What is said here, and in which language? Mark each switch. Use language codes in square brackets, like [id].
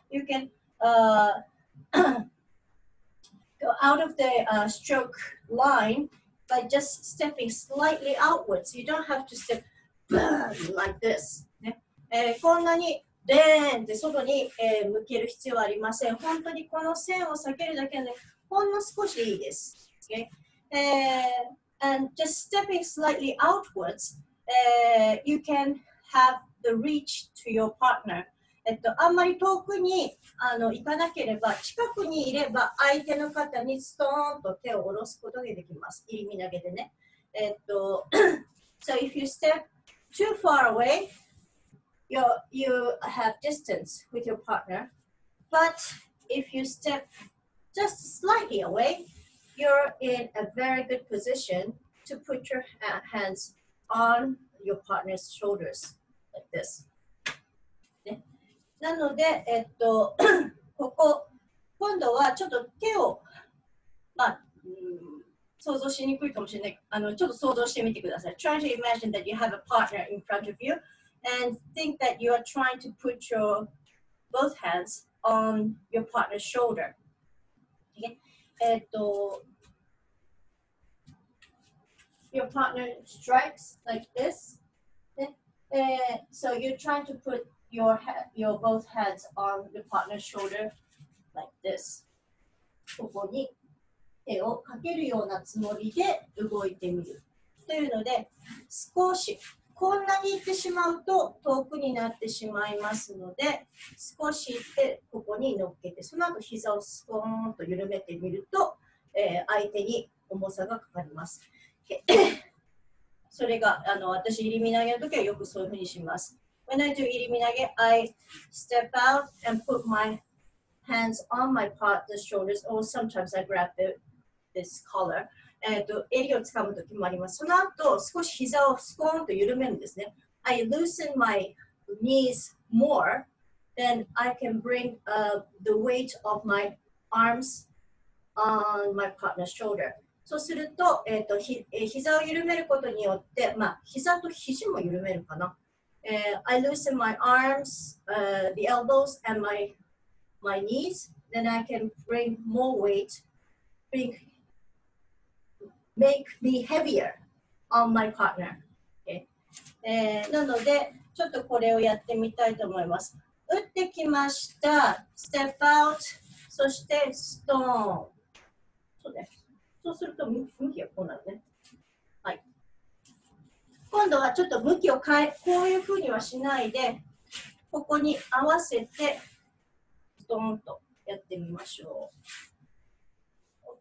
[en] You can go out of the stroke lineBy just stepping slightly outwards, you don't have to step boom, like this.、 [ja] ね、こんなにでーんって外に、向ける必要はありません。本当にこの線を避けるだけで、ほんの少しでいいです。 [en] Okay? And just stepping slightly outwards,、you can have the reach to your partner.、 [ja] あんまり遠くに行かなければ、近くにいれば相手の方にストーンと手を下ろすことができます。入り身投げでね。 [en] so if you step too far away, you have distance with your partner. But if you step just slightly away, you're in a very good position to put your hands on your partner's shoulders like this. [ja] なので、ここ、今度はちょっと手を、まあ、想像しにくいかもしれない。ちょっと想像してみてください。 [en] Try to imagine that you have a partner in front of you and think that you are trying to put your both hands on your partner's shoulder. Okay? Your partner strikes like this. So you're trying to put... Your both heads on your partner's shoulder like this. [ja] ここに手をかけるようなつもりで動いてみるというので少しこんなに行ってしまうと遠くになってしまいますので、少し行ってここに乗っけて、その後膝をスコーンと緩めてみると、相手に重さがかかります。それが私、入り身投げの時はよくそういうふうにします。 [en] When I do 入り身投げ、I step out and put my hands on my partner's shoulders, or sometimes I grab this collar. [ja] 襟をつかむときもあります。その後、少し膝をスコーンと緩めるんですね。 [en] I loosen my knees more, then I can bring the weight of my arms on my partner's shoulder. [ja] そうすると、膝を緩めることによって、まあ、膝と肘も緩めるかな。 [en] I loosen my arms, the elbows and my knees, then I can bring more weight, make me heavier on my partner.、Okay. [ja] なので、ちょっとこれをやってみたいと思います。打ってきました。 [en] step out、 [ja] そしてストーン。そうね。そうすると向きがこうなるね。はい。今度はちょっと向きを変え、こういうふうにはしないで、ここに合わせて、ストーンとやってみましょう。